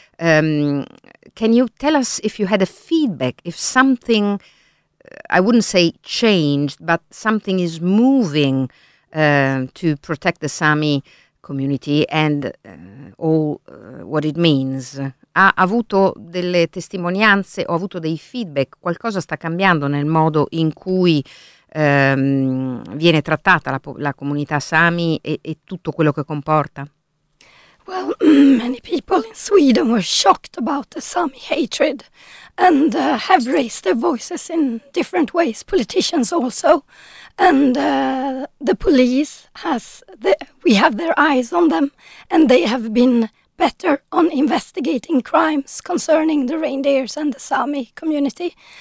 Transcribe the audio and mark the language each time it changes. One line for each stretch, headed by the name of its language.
English: Can you tell us if you had a feedback, if something, I wouldn't say changed, but something is moving to protect the Sami community and all what it means?
Italian: Ha avuto delle testimonianze o ha avuto dei feedback? Qualcosa sta cambiando nel modo in cui viene trattata la comunità Sami e tutto quello che comporta?
English: Well, many people in Sweden were shocked about the Sami hatred and have raised their voices in different ways, politicians also. And the police we have their eyes on them, and they have been better on investigating crimes concerning the reindeers and the Sami community.